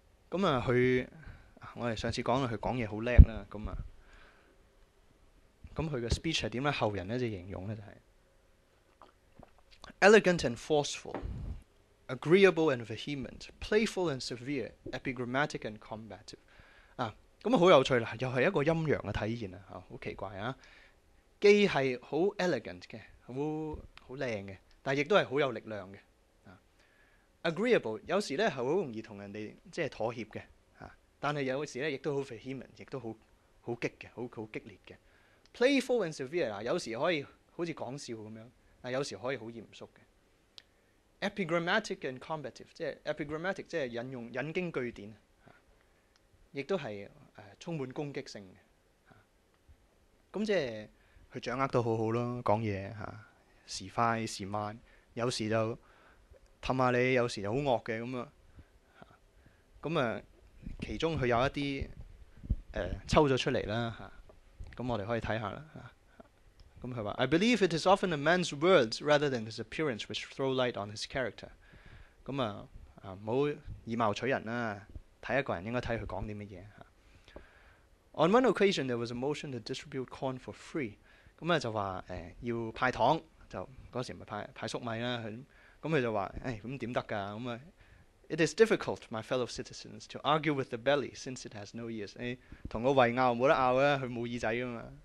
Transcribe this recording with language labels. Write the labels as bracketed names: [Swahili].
[Cantonese] 咁啊，佢我哋上次講啦，佢講嘢好叻啦。咁啊，咁佢嘅 speech 係點咧？後人咧就形容咧就係、是。 [English] Elegant and forceful, agreeable and vehement, playful and severe, epigrammatic and combative. [Cantonese] 啊，咁啊好有趣啦，又系一个阴阳嘅体现啊，好奇怪啊！既系好 elegant 嘅，好靓嘅，但系亦都系好有力量嘅。啊 ，agreeable 有时咧系好容易同人哋即系妥协嘅，啊，但系有时咧亦都好 vehement， 亦都好激嘅，好激烈嘅。 [English] Playful and severe [Cantonese] 嗱，有时可以好似讲笑咁样。但有時可以好嚴肅嘅 ， [English] epigrammatic and combative， [Cantonese] 即係 epigrammatic， 即係引用引經據典，亦都係充滿攻擊性嘅。咁即係佢掌握得好好咯，講嘢嚇，時快時慢，有時就氹下你，有時就好惡嘅咁啊。咁啊，其中佢有一啲抽咗出嚟啦嚇，咁我哋可以睇下啦嚇。咁佢話： [English] I believe it is often a man's words rather than his appearance which throw light on his character。 [Cantonese] 咁啊，唔好以貌取人啦，睇一個人應該睇佢講啲乜嘢嚇。 [English] On one occasion, there was a motion to distribute corn for free。 [Cantonese] 咁啊就話要派糖，就嗰時咪派粟米啦。咁佢就話：咁點得㗎？咁啊， [English] It is difficult, my fellow citizens, to argue with the belly since it has no ears。 [Cantonese] 同個胃拗冇得拗啊，佢冇耳仔㗎嘛。